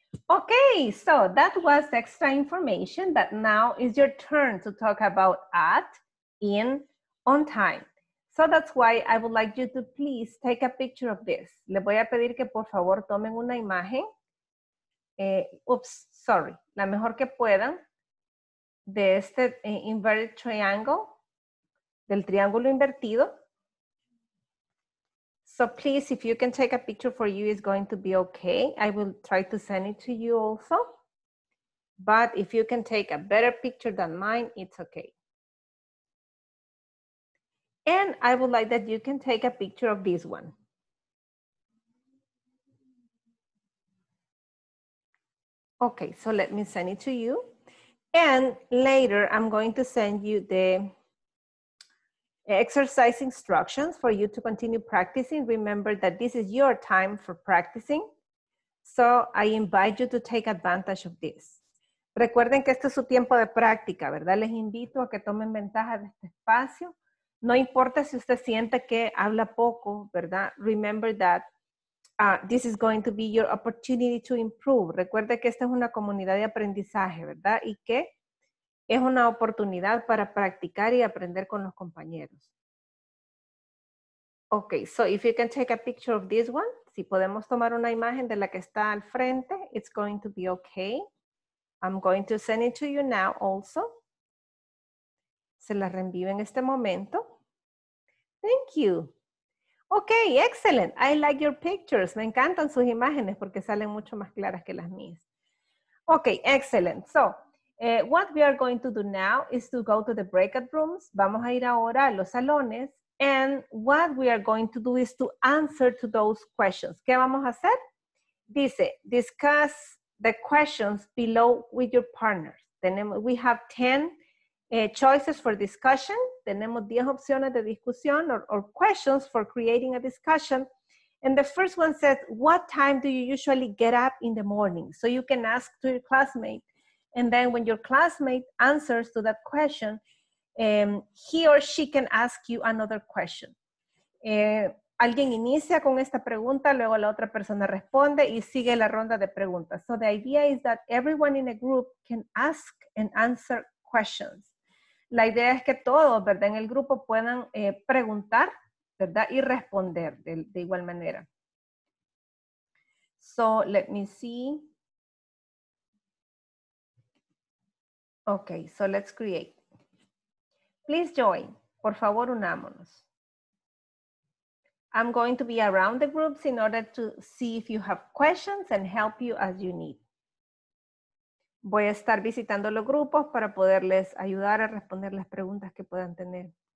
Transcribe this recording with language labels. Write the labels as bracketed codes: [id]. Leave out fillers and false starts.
[en] Okay, so that was extra information, but now is your turn to talk about at, in, on time. So that's why I would like you to please take a picture of this. [es] Le voy a pedir que por favor tomen una imagen. La mejor que puedan de este inverted triangle, del triángulo invertido. [en] So please, if you can take a picture for you, it's going to be okay. I will try to send it to you also. But if you can take a better picture than mine, it's okay. And I would like that you can take a picture of this one. Okay, so let me send it to you. And later I'm going to send you the exercise instructions for you to continue practicing. Remember that this is your time for practicing. So I invite you to take advantage of this. [es] Recuerden que este es su tiempo de práctica, ¿verdad? Les invito a que tomen ventaja de este espacio. No importa si usted siente que habla poco, ¿verdad? [en] Remember that this is going to be your opportunity to improve. [es] Recuerde que esta es una comunidad de aprendizaje, ¿verdad? Y que es una oportunidad para practicar y aprender con los compañeros. [en] Okay, so if you can take a picture of this one, [es] si podemos tomar una imagen de la que está al frente, [en] it's going to be okay. I'm going to send it to you now also. [es] Se la reenvío en este momento. [en] Thank you. Okay, excellent. I like your pictures. [es] Me encantan sus imágenes porque salen mucho más claras que las mías. [en] Okay, excellent. So, what we are going to do now is to go to the breakout rooms. [es] Vamos a ir ahora a los salones. [en] And what we are going to do is to answer to those questions. [es] ¿Qué vamos a hacer? [en] dice, discuss the questions below with your partners. [es] Tenemos, [en] we have 10 choices for discussion. [es] Tenemos 10 opciones de discusión [en] or questions for creating a discussion. And the first one says, what time do you usually get up in the morning? So you can ask to your classmate. And then when your classmate answers to that question, he or she can ask you another question. [es] Alguien inicia con esta pregunta, luego la otra persona responde y sigue la ronda de preguntas. [en] So the idea is that everyone in a group can ask and answer questions. [es] La idea es que todos, ¿verdad?, en el grupo puedan preguntar, ¿verdad?, y responder de igual manera. [en] So let me see. Okay, so let's create. Please join. [es] Por favor, unámonos. [en] I'm going to be around the groups in order to see if you have questions and help you as you need. [es] Voy a estar visitando los grupos para poderles ayudar a responder las preguntas que puedan tener.